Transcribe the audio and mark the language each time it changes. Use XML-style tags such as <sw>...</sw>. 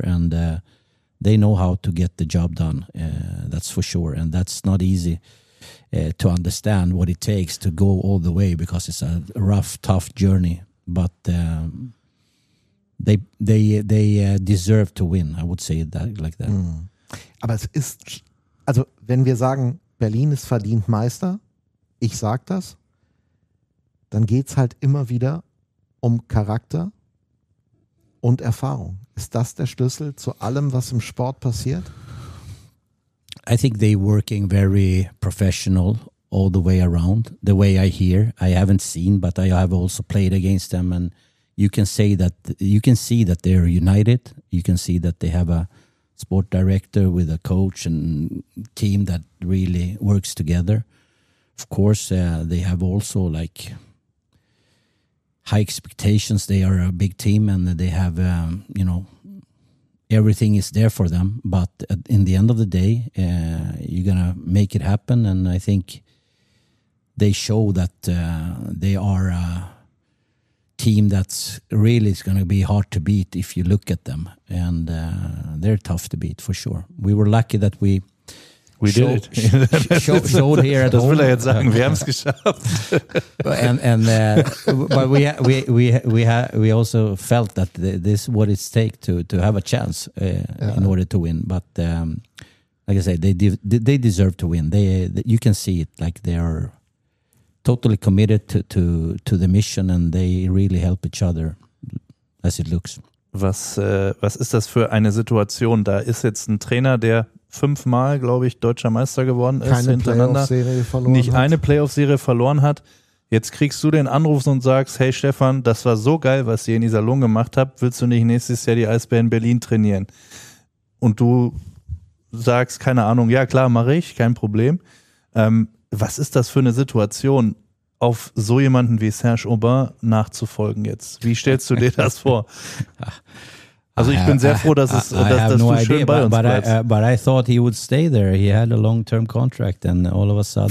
<en>And they know how to get the job done, that's for sure. And that's not easy to understand what it takes to go all the way because it's a rough, tough journey. But they deserve to win, I would say that like that. Mm.</en> <de>Aber es ist, also wenn wir sagen, Berlin ist verdient Meister, ich sag das, dann geht's halt immer wieder um Charakter und Erfahrung. Ist das der Schlüssel zu allem, was im Sport passiert?</de> <en>I think they working very professional all the way around. The way I hear, I haven't seen, but I have also played against them. And you can see that they're united. You can see that they have a sport director with a coach and team that really works together. Of course, they have also like high expectations. They are a big team and they have, everything is there for them, but in the end of the day, you're going to make it happen. And I think they show that they are a team that's really going to be hard to beat if you look at them. And they're tough to beat, for sure. We were lucky that we showed here at das home.</en> <de>Will er jetzt sagen, wir haben es geschafft.</de> <en>and but we also felt that this what it takes to have a chance in order to win. But like I said, they deserve to win. You can see it, like they are totally committed to the mission and they really help each other as it looks.</en> <de>Was ist das für eine Situation? Da ist jetzt ein Trainer, der 5-mal, glaube ich, deutscher Meister geworden ist, keine hintereinander, eine Playoff-Serie verloren hat. Jetzt kriegst du den Anruf und sagst, hey Stefan, das war so geil, was ihr in Iserlohn gemacht habt, willst du nicht nächstes Jahr die Eisbären Berlin trainieren? Und du sagst, keine Ahnung, ja klar, mache ich, kein Problem. Was ist das für eine Situation, auf so jemanden wie Serge Aubin nachzufolgen jetzt? Wie stellst du dir das vor? Also ich bin sehr froh, dass es</de> <en>But I thought he would stay there. He had a long-term contract, and all of a sudden,</en>